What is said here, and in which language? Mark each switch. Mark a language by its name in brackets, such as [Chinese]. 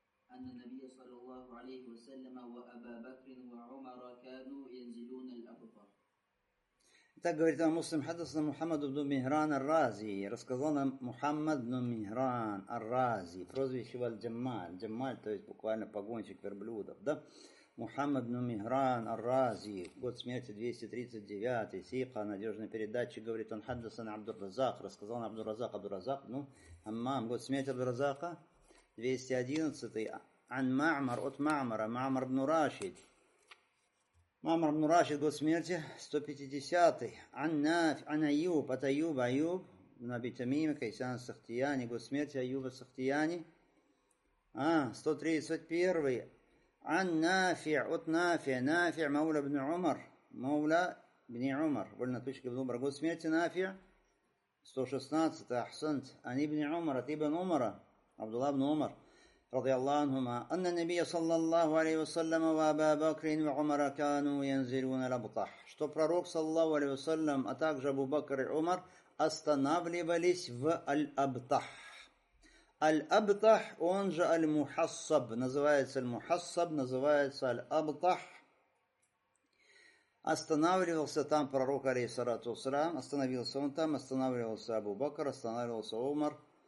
[Arabic] أن النبي صلى الله عليه وسلم وأبا بكر وعمر كانوا ينزلون الأبطار. [Russian] Так говорит нам Муслим, хадасна Мухаммад ибн Михран ар-Рази. Рассказал нам Мухаммад ибн Михран ар-Рази. Прозвище Валь-Джаммаль. Джаммаль, то есть буквально погонщик верблюдов. Да? Мухаммад ибн Михран ар-Рази. Год смерти 239. Сиха, надежный передатчик, говорит он, хадасна Абдур-Разак. Рассказал нам Абдур-Разак. Абдур-Разак, ну, Аммам. Год смерти Абдур-Разака 211. Ан Ма'мар, от Ма'мара. Ма'мар ибн Рашид. Мамар ибн Рашид, год смерти, 150-й. Ан-Айюб, от Айюба, Айюб, Наби Тамима, Кайсян Сахтияни, год смерти Айюба Сахтияни. А, 131-й. Ан-Нафи', от Нафи', Нафи', Мауля ибн Умар, Мауля ибн Умар, вольна тучка ибн Умар, год смерти Нафи', 116-й, Ахсант, Ан ибн Умар, от Ибн Умара, Абдулла ибн Умар. [Arabic] رضي الله عنهما أن النبي صلى الله عليه وسلم وأبا بكر وعمر كانوا ينزلون الأبطح. [Russian] Что пророк [Arabic] صلى الله عليه وسلم, [Russian] а также Абу Бакр и Умар останавливались в Аль-Абтах. Аль-Абтах, он же Аль-Мухассаб, называется Аль-Мухассаб, называется Аль-Абтах. Останавливался там пророк алейхиссалату вассалям, остановился он там, останавливался Абу Бакр, останавливался Умар.